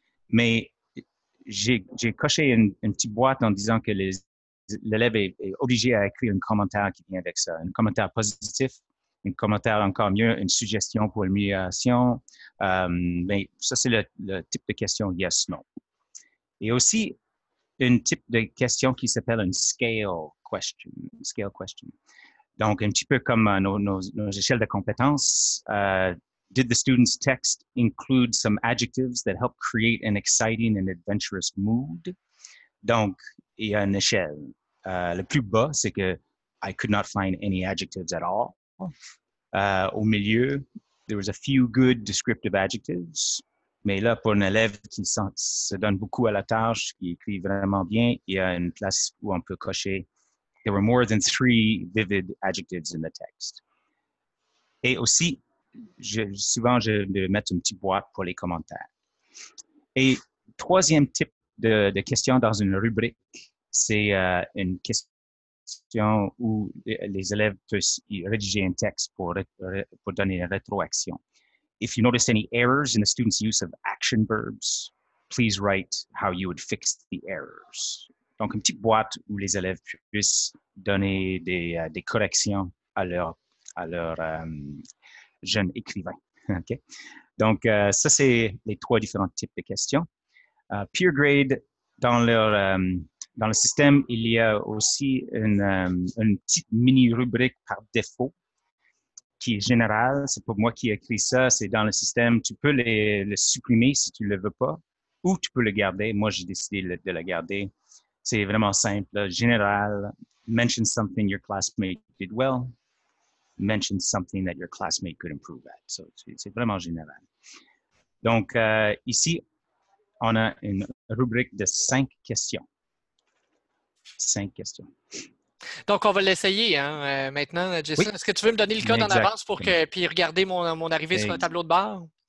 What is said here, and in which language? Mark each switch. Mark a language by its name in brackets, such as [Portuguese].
[French] Mais j'ai coché une petite boîte en disant que l'élève est obligé à écrire un commentaire qui vient avec ça, un commentaire positif, un commentaire encore mieux, une suggestion pour l'amélioration. Mais ça, c'est le type de question yes, non. Et aussi, un type de question qui s'appelle une scale question. Donc, un petit peu comme nos échelles de compétences. [English] Did the student's text include some adjectives that help create an exciting and adventurous mood? [French] Donc, il y a une échelle. Le plus bas, c'est que [English] I could not find any adjectives at all. [French] Au milieu, [English] there was a few good descriptive adjectives. [French] Mais là, pour un élève qui se donne beaucoup à la tâche, qui écrit vraiment bien, il y a une place où on peut cocher. [English] There were more than three vivid adjectives in the text. [French] Et aussi, souvent, je vais mettre une petite boîte pour les commentaires. Et troisième type de question dans une rubrique, c'est une question où les élèves peuvent rédiger un texte pour donner une rétroaction. [English] If you notice any errors in the student's use of action verbs, please write how you would fix the errors. [French] Donc, une petite boîte où les élèves puissent donner des corrections à leur jeune écrivain. Okay? Donc, ça, c'est les trois différents types de questions. PeerGrade, dans le système, il y a aussi une petite mini-rubrique par défaut qui est générale. C'est pas moi qui ai écrit ça, c'est dans le système. Tu peux le supprimer si tu ne le veux pas ou tu peux le garder. Moi, j'ai décidé de le garder. C'est vraiment simple. Général, [English] mention something your classmate did well. Mention something that your classmate could improve at. [French] So, c'est vraiment général. Donc, ici, on a une rubrique de cinq questions. Cinq questions. Donc, on va l'essayer hein, maintenant, Jason. Oui. Est-ce que tu veux me donner le code en avance pour que puis regarder mon arrivée sur un tableau de bord?